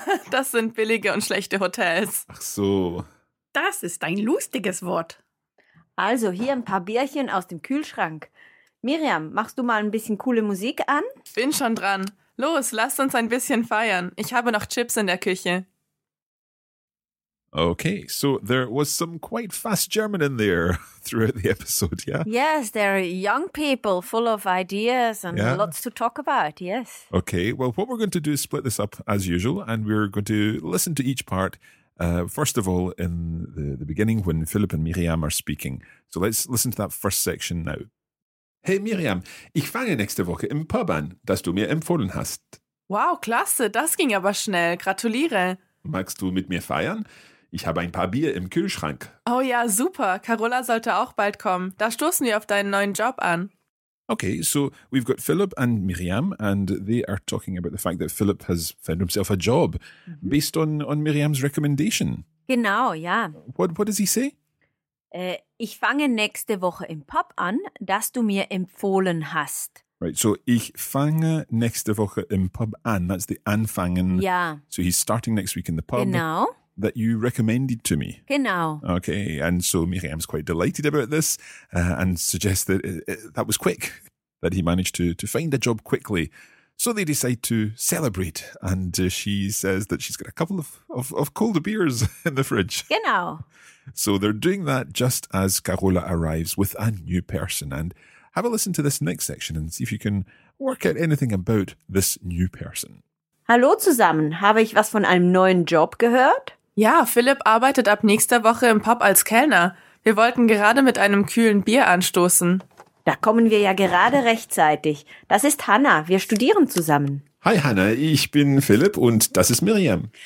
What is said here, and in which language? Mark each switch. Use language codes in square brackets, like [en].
[de] Das sind billige und schlechte Hotels. Ach so. Das ist ein lustiges Wort. Also, hier ein paar Bierchen aus dem Kühlschrank. Miriam, machst du mal ein bisschen coole Musik an? Bin schon dran. Los, lasst uns ein bisschen feiern. Ich habe noch Chips in der Küche. [en] Okay, so there was some quite fast German in there throughout the episode, yeah? Yes, there are young people full of ideas and lots to talk about, yes. Okay, well, what we're going to do is split this up as usual, and we're going to listen to each part. First of all, in the beginning, when Philipp and Miriam are speaking. So let's listen to that first section now. [de] Hey Miriam, ich fange nächste Woche im Pub an, das du mir empfohlen hast. Wow, klasse, das ging aber schnell. Gratuliere. Magst du mit mir feiern? Ich habe ein paar Bier im Kühlschrank. Oh ja, super. Carola sollte auch bald kommen. Da stoßen wir auf deinen neuen Job an. [en] Okay, so we've got Philip and Miriam, and they are talking about the fact that Philip has found himself a job based on Miriam's recommendation. [de] Genau, ja. [en] What does he say? [de] Ich fange nächste Woche im Pub an, das du mir empfohlen hast. [en] Right, so [de] ich fange nächste Woche im Pub an. [en] That's the anfangen. [de] Ja. [en] So he's starting next week in the pub. [de] Genau. [en] That you recommended to me. [de] Genau. [en] Okay, and so Miriam's quite delighted about this and suggests that that was quick, that he managed to find a job quickly. So they decide to celebrate, and she says that she's got a couple of cold beers in the fridge. [de] Genau. [en] So they're doing that just as Carola arrives with a new person. And have a listen to this next section and see if you can work out anything about this new person. [de] Hallo zusammen, habe ich was von einem neuen Job gehört? Ja, Philipp arbeitet ab nächster Woche im Pub als Kellner. Wir wollten gerade mit einem kühlen Bier anstoßen. Da kommen wir ja gerade rechtzeitig. Das ist Hanna, wir studieren zusammen. Hi Hanna, ich bin Philipp und das ist Miriam.